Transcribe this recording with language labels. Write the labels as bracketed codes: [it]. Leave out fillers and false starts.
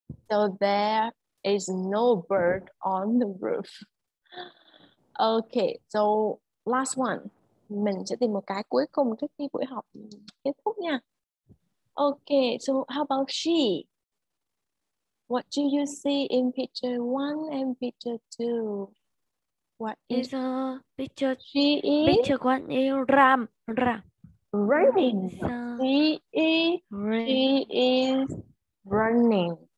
[en] So there is no bird on the roof. Okay, so last one. [vi] Mình sẽ tìm một cái cuối cùng trước khi buổi học kết thúc nha. [en] Okay, so how about she? What do you see in picture one and picture two? What is a picture? She is picture one is ram. Running. She is running.